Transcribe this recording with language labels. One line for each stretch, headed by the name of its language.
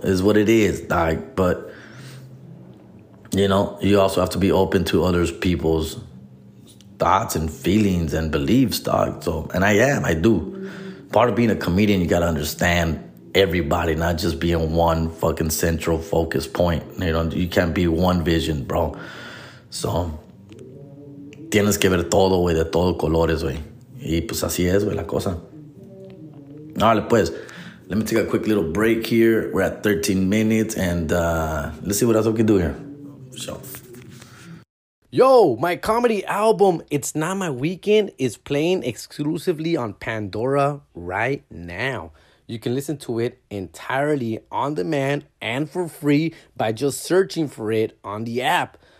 English: Is what it is, dog. But, you know, you also have to be open to other people's thoughts and feelings and beliefs, dog. So, and I am, I do. Part of being a comedian, you gotta understand everybody, not just being one fucking central focus point. You know, you can't be one vision, bro.
Spanish: So, tienes que ver todo, güey, de todos colores, güey. Y pues así es, güey, la cosa. Vale, pues,
English: let me take a quick little break here. We're at 13 minutes, and let's see what else we can do here. So. Yo, my comedy album, It's Not My Weekend, is playing exclusively on Pandora right now. You can listen to it entirely on demand and for free by just searching for it on the app.